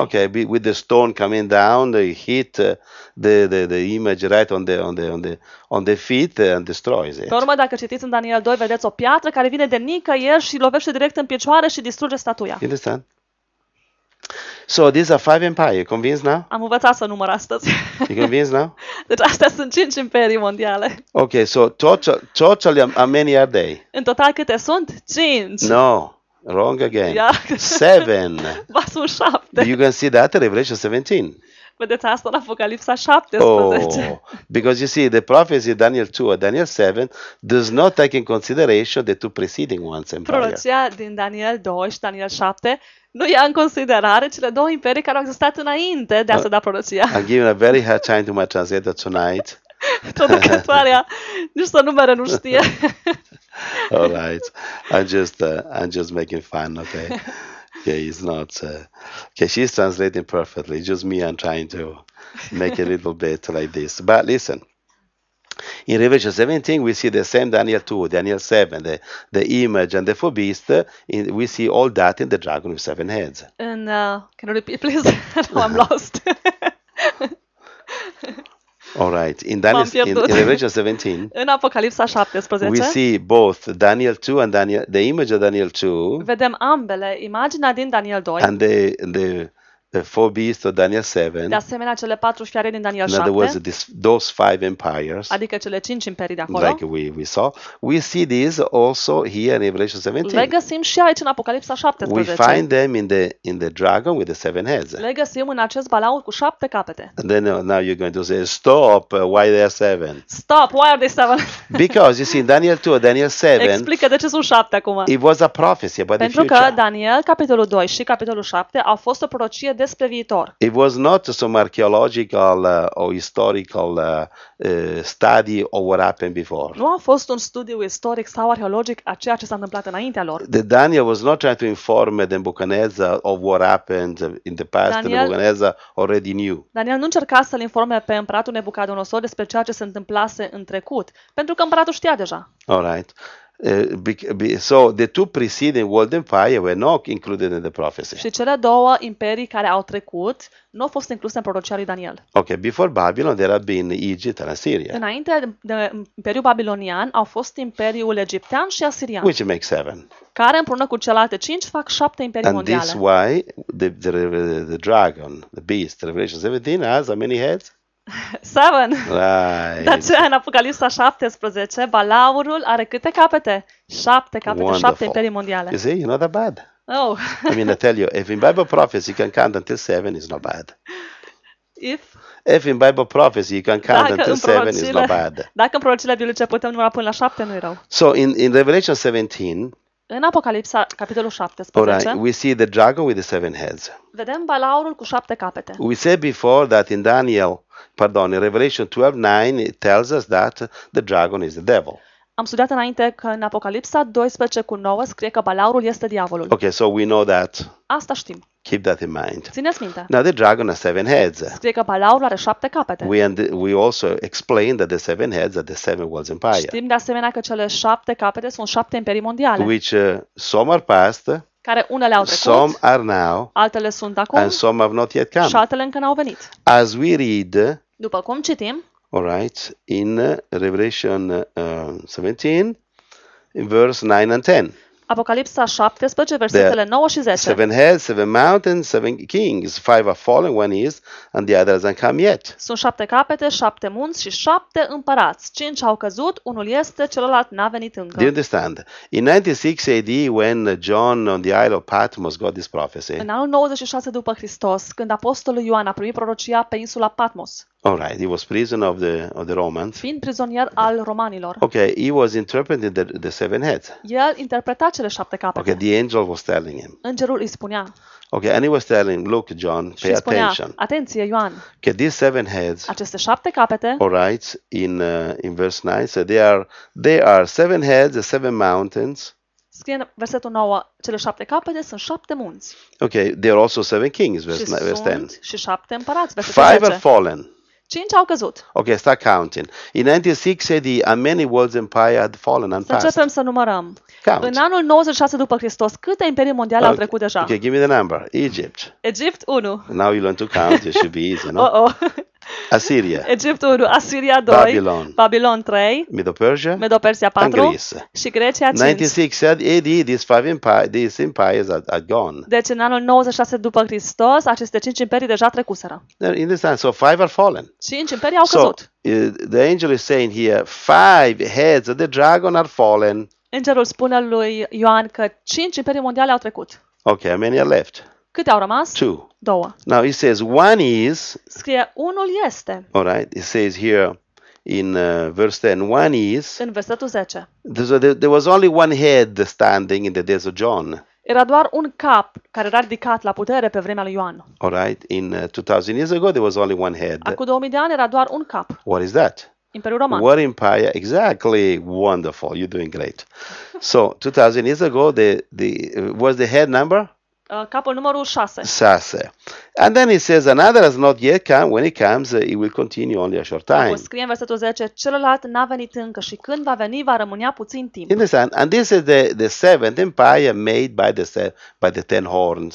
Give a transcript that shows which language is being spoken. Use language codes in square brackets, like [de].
[en] Okay, with the stone coming down, they hit the image right on the feet and destroys it. [ro] Pe urmă, dacă citiți în Daniel 2, vedeți o piatră care vine de nicăieri și lovește direct în picioare și distruge statuia. [en] You understand? So these are five empires. Convinced now? [ro] Am învățat să număr astăzi. [en] You convinced now? [ro] Deci astea sunt cinci imperii mondiale. [en] Okay, so totally, how many are they? [ro] În total câte sunt? Cinci. [en] No, wrong again. Yeah. Seven. [ro] Ba sunt șapte. [en] You can see that in Revelation 17. [ro] Vedeți asta în Apocalipsa 17. [en] Oh, because you see, the prophecy Daniel 2 or Daniel 7 does not take in consideration the two preceding ones empire. [ro] Prorocia din Daniel 2 și Daniel 7 nu ia în considerare cele două imperii care au existat înainte de a se da prorocia. [en] I'm giving a very hard time to my translator tonight. [ro] Traducătoarea nici să numere nu știe. [en] All right. I'm just making fun, okay? Okay, it's not. Okay, she's translating perfectly. Just me, I'm trying to make a little bit like this. But listen, in Revelation 17, we see the same Daniel 2, Daniel 7, the image and the four beasts. We see all that in the dragon with seven heads. And can you repeat, please? No, I'm lost. All right. In Revelation 17, [ro] în Apocalipsa 17, [en] we see both Daniel 2 and the image of Daniel 2. [ro] Vedem ambele, imaginea din Daniel 2. [en] And the Four beasts of Daniel 7. [ro] De asemenea, cele patru fiare din Daniel 7. [en] In other words, those five empires. [ro] Adică cele cinci imperii de acolo. [en] Like we saw, we see these also here in Revelation 17. [ro] Le găsim și aici în Apocalipsa 17. [en] We find them in the dragon with the seven heads. [ro] Le găsim în acest balaur cu șapte capete. [en] And then now you're going to say, stop, why there are seven? Stop, why are there seven? Because you see, in Daniel 2, Daniel 7. [ro] Explică de ce sunt șapte acum. [en] It was a prophecy about [ro] Pentru [en] the future. [ro] Pentru că Daniel capitolul 2 și capitolul 7 au fost o prorocie despre viitor. [en] It was not some archaeological or historical study of what happened before. [ro] Nu a fost un studiu istoric sau arheologic a ceea ce s-a întâmplat înaintea lor. [en] The Daniel was not trying to inform Nebuchadnezzar of what happened in the past. [ro] Daniel, [en] Nebuchadnezzar already knew. [ro] Daniel nu încerca să-l informe pe împăratul Nebucadonosor despre ceea ce se întâmplase în trecut, pentru că împăratul știa deja. [en] All right. So the two preceding world empires were not included in the prophecy. [ro] Și cele două imperii care au trecut nu au fost incluse în prorocia lui Daniel. [en] Okay, before Babylon there had been Egypt and Assyria. [ro] Înainte de Imperiul Babilonian au fost Imperiul Egiptean și Asirian. [en] Which makes seven. [ro] Care împreună cu celelalte cinci fac șapte imperii mondiale. [en] And this why the dragon, the beast, Revelation 17 has how many heads? 7. Right. [ro] De aceea, în Apocalipsa 17, balaurul are câte capete? 7 capete, [en] wonderful. [ro] 7 imperii mondiale. [en] You see, you're not that bad. Oh. I mean, I tell you, if in Bible prophecy you can count until 7, it's not bad. If in Bible prophecy you can count until 7, it's not bad. [ro] Dacă în prorociile biblice putem număra până la 7, nu-i rău. [en] So, in Revelation 17, [ro] în Apocalipsa, capitolul 17, [en] all right, we see the dragon with the seven heads. [ro] Vedem balaurul cu 7 capete. [en] We said before that in Daniel, pardon, in Revelation 12:9 it tells us that the dragon is the devil. [ro] Am studiat înainte că în Apocalipsa 12:9 scrie că balaurul este diavolul. [en] Okay, so we know that. [ro] Asta știm. [en] Keep that in mind. [ro] Țineți minte. [en] Now the dragon has seven heads. [ro] Scrie că balaurul are șapte capete. [en] We also explain that the seven heads are the seven world empires. [ro] Știm de asemenea că cele șapte capete sunt șapte imperii mondiale. [en] Which some are past. [ro] Care unele au trecut, [en] some are now, [ro] altele sunt acum, [en] and some have not yet come. [ro] Și altele încă n-au venit. [en] As we read, [ro] după cum citim, [en] all right, in Revelation 17, in verse 9 and 10. [ro] Apocalipsa 17, versetele 9 și 10. [en] Seven heads, seven mountains, seven kings. Five are fallen, one is, and the other hasn't come yet. [ro] Sunt șapte capete, șapte munți și șapte împărați. Cinci au căzut, unul este, celălalt n-a venit încă. [en] Do you understand? In 96 AD, when John on the Isle of Patmos got this prophecy. [ro] În anul 96 după Hristos, când apostolul Ioan a primit prorocia pe insula Patmos. [en] All right, he was prisoner of the Romans. [ro] Fiind prizonier al romanilor. [en] Okay, he was interpreting the seven heads. [ro] El interpreta cele șapte capete. [en] Okay, the angel was telling him. [ro] Îngerul îi spunea. [en] Okay, and he was telling, look, John, pay [ro] spunea, [en] attention. [ro] Atenție, Ioan. [en] Okay, these seven heads. [ro] Aceste șapte capete. [en] All right, in verse 9, so they are seven heads, the seven mountains. [ro] Scrie în versetul 9, cele șapte capete sunt șapte munți. [en] Okay, there are also seven kings, verse 10. [ro] Și șapte împărați, versetul [en] 10. Five are fallen. [ro] Cinci au căzut. [en] Okay, start counting. In 96 AD, how many world empires had fallen and passed? [ro] Să începem să numărăm. [en] Count. [ro] În anul 96 după Hristos, câte imperii mondiale au trecut deja? [en] Okay, give me the number. Egypt. [ro] Egipt 1. [en] Now you learn to count, it should be easy, no? Oh. Assyria. [ro] Egipt 1, Assyria 2, [en] Babylon 3, Medo-Persia 4, and Greece. [ro] Și Grecia 5. [en] 96 AD, these empires are gone. [ro] Deci în anul 96 după Hristos, aceste 5 imperii deja trecuseră. [en] In this time, so 5 are fallen. [ro] 5 imperii au căzut. [en] So, the angel is saying here, 5 heads of the dragon are fallen. [ro] Îngerul spune lui Ioan că 5 imperii mondiale au trecut. [en] Okay, how many are left? [ro] Câte au rămas? [en] 2. [ro] Două. [en] Now he says one is. [ro] Scrie unul este. [en] All right, it says here in verse 10, one is. [ro] În versetul 10. [en] There was only one head standing in the days of John. [ro] Era doar un cap care era ridicat la putere pe vremea lui Ioan. [en] All right, in 2000 years ago there was only one head. [ro] Acum 2000 de ani era doar un cap. [en] What is that? [ro] Imperiul Roman. [en] What empire? Exactly. Wonderful. You're doing great. So, 2000 years ago the was the head number? [ro] Capul numărul 6. Sase. [en] And then he says another has not yet come. When it comes, it will continue only a short time. [ro] Apoi scrie în versetul 10, celălalt n-a venit încă și când va veni, va rămâne puțin timp. [en] Interesting. And this is the seventh empire made by the ten horns.